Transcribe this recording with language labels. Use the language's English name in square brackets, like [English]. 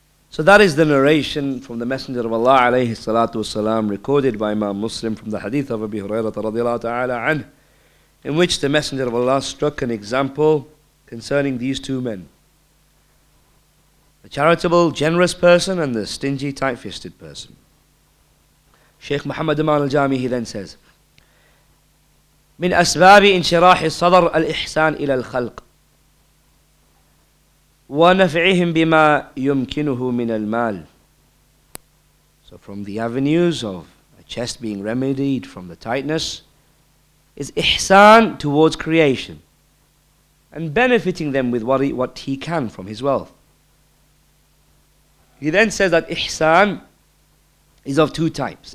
[English] So that is the narration from the Messenger of Allah alayhi salatu wasalam, recorded by Imam Muslim from the hadith of Abi Hurairah radiallahu ta'ala anhu, in which the Messenger of Allah struck an example concerning these two men. the charitable, generous person and the stingy, tight-fisted person. [Arabic] Sheikh Muhammad Aman al-Jami, [English] he then says, [Arabic] من أسباب انشراح الصدر الإحسان إلى الخلق ونفعهم بما يمكنه من المال. [English] So from the avenues of a chest being remedied from the tightness is ihsan towards creation and benefiting them with what he can from his wealth. He then says that ihsan is of two types.